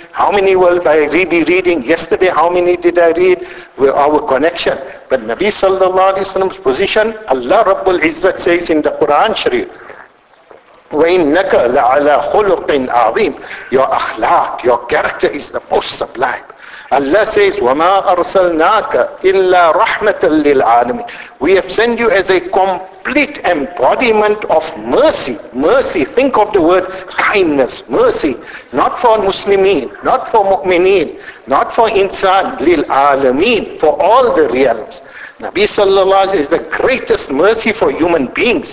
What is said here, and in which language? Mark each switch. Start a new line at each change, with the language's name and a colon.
English: How many will I be reading yesterday? How many did I read? With our connection. But Nabi sallallahu alayhi wa sallam's position, Allah Rabbul Izzat says in the Quran sharif,
Arabic: وَإِنَّكَ لَعَلَى خُلُقٍ عَظِيمٍ.
English: Your akhlaq, your character is the most sublime. Allah says,
Arabic: وَمَا أَرْسَلْنَاكَ إِلَّا رَحْمَةً لِلْعَالَمِينَ.
English: We have sent you as a complete embodiment of mercy. Mercy, think of the word kindness, mercy. Not for Muslimin, not for Mu'mineen, not for insan, لِلْعَالَمِينَ, for all the realms. Nabi sallallahu alayhi wa sallam is the greatest mercy for human beings.